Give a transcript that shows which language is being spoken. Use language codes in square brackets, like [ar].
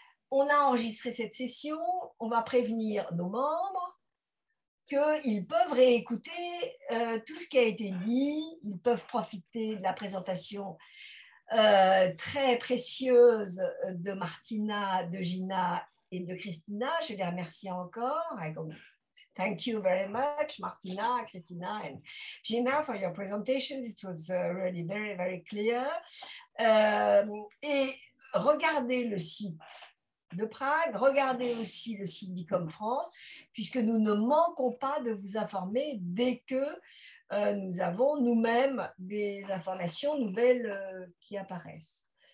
[fr] On a enregistré cette session, on va prévenir nos membres qu'ils peuvent réécouter tout ce qui a été dit, ils peuvent profiter de la présentation très précieuse de Martina, de Gina et de Christina. Je les remercie encore. [en] Thank you very much, Martina, Christina and Gina, for your presentation. It was really very, very clear. [fr] Et regardez le site de Prague, regardez aussi le site d'ICOM France, puisque nous ne manquons pas de vous informer dès que nous avons nous-mêmes des informations nouvelles qui apparaissent.